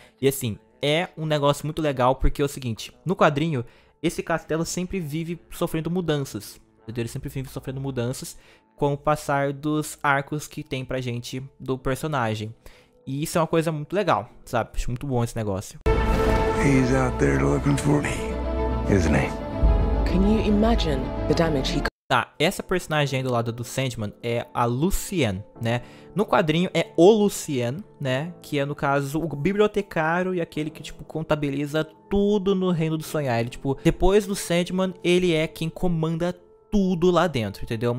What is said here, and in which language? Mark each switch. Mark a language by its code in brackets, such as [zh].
[pt] E assim, é um negócio muito legal porque é o seguinte, no quadrinho, esse castelo sempre vive sofrendo mudanças. Ele sempre vive sofrendo mudanças com o passar dos arcos que tem pra gente do personagem. E isso é uma coisa muito legal, sabe? Acho muito bom esse negócio. [en] He's out there looking for me, isn't he? Can you imagine the damage he... [pt] Tá, essa personagem aí do lado do Sandman é a Lucienne, né? No quadrinho é o Lucienne, né? Que é, no caso, o bibliotecário e aquele que, tipo, contabiliza tudo no Reino do Sonhar. Ele, tipo, depois do Sandman, ele é quem comanda tudo lá dentro, entendeu?